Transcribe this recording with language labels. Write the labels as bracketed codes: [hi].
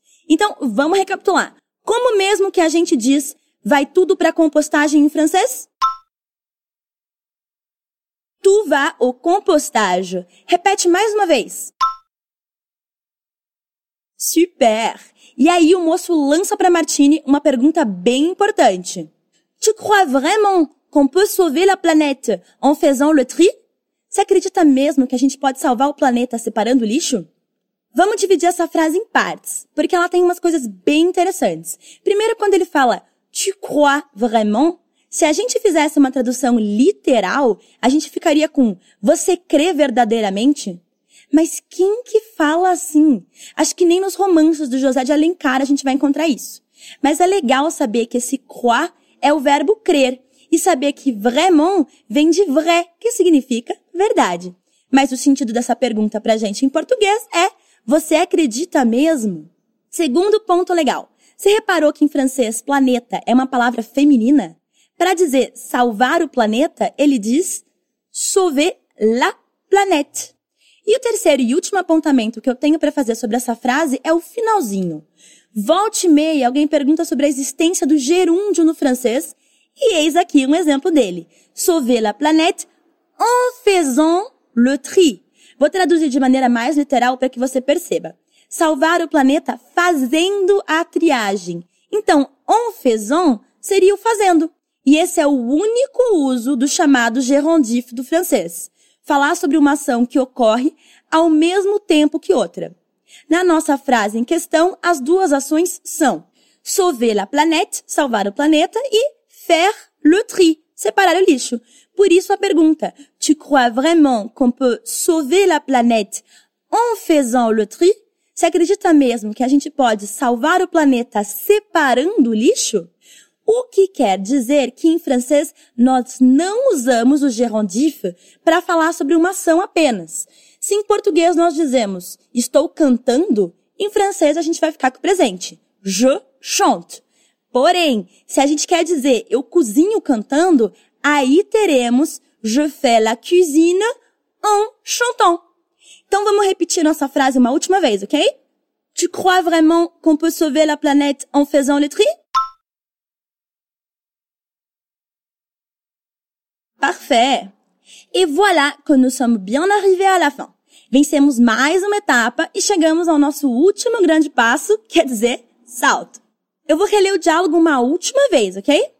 [pt] Então, vamos recapitular. Como mesmo que a gente diz, vai tudo para a compostagem em francês? [fr] Tout va au compostage. [pt] Repete mais uma vez. Super! E aí o moço lança para Martine uma pergunta bem importante. [fr] Tu crois vraiment qu'on peut sauver la planète en faisant le tri? [pt] Você acredita mesmo que a gente pode salvar o planeta separando o lixo? Vamos dividir essa frase em partes, porque ela tem umas coisas bem interessantes. Primeiro, quando ele fala [fr] tu crois vraiment, [pt] se a gente fizesse uma tradução literal, a gente ficaria com você crê verdadeiramente? Mas quem que fala assim? Acho que nem nos romances do José de Alencar a gente vai encontrar isso. Mas é legal saber que esse croire é o verbo crer e saber que vraiment vem de vrai, que significa verdade. Mas o sentido dessa pergunta pra gente em português é você acredita mesmo? Segundo ponto legal. Você reparou que em francês planeta é uma palavra feminina? Para dizer salvar o planeta, ele diz [fr] sauver la planète. [pt] E o terceiro e último apontamento que eu tenho para fazer sobre essa frase é o finalzinho. Volta e meia, alguém pergunta sobre a existência do gerúndio no francês e eis aqui um exemplo dele. [fr] Sauver la planète en faisant le tri. [pt] Vou traduzir de maneira mais literal para que você perceba. Salvar o planeta fazendo a triagem. Então, [fr] en faisant [pt] seria o fazendo. E esse é o único uso do chamado gerondif do francês. Falar sobre uma ação que ocorre ao mesmo tempo que outra. Na nossa frase em questão, as duas ações são [fr] sauver la planète, [pt] salvar o planeta, e [fr] faire le tri, [pt] separar o lixo. Por isso a pergunta, [fr] tu crois vraiment qu'on peut sauver la planète en faisant le tri? [pt] Você acredita mesmo que a gente pode salvar o planeta separando o lixo? O que quer dizer que, em francês, nós não usamos o gerondif para falar sobre uma ação apenas. Se em português nós dizemos estou cantando, em francês a gente vai ficar com o presente. [fr] Je chante. [pt] Porém, se a gente quer dizer eu cozinho cantando, aí teremos [fr] je fais la cuisine en chantant. [pt] Então vamos repetir nossa frase uma última vez, ok? [fr] Tu crois vraiment qu'on peut sauver la planète en faisant le tri? Parfait! Et voilà que nous sommes bien arrivés à la fin. [pt] Vencemos mais uma etapa e chegamos ao nosso último grande passo, quer dizer, salto. Eu vou reler o diálogo uma última vez, ok?